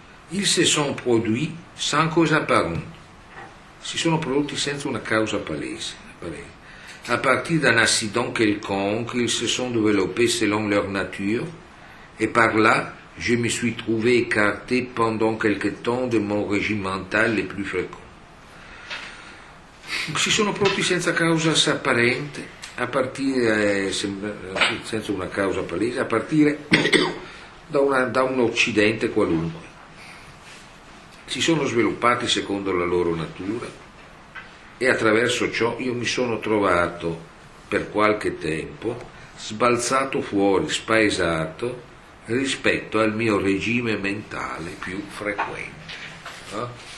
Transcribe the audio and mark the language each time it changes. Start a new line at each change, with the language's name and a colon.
French: Ils se sont produits sans cause apparente,
Italian: si sono prodotti senza una causa palese.
French: A partir d'un accident quelconque, ils se sont développés selon leur nature, et par là, je me suis trouvé écarté pendant quelque temps de mon régime mental le plus fréquent.
Italian: Si sono prodotti senza causa apparente, a partire, senza una causa palese, a partire da un occidente qualunque. Si sono sviluppati secondo la loro natura e attraverso ciò io mi sono trovato per qualche tempo sbalzato fuori, spaesato rispetto al mio regime mentale più frequente. No?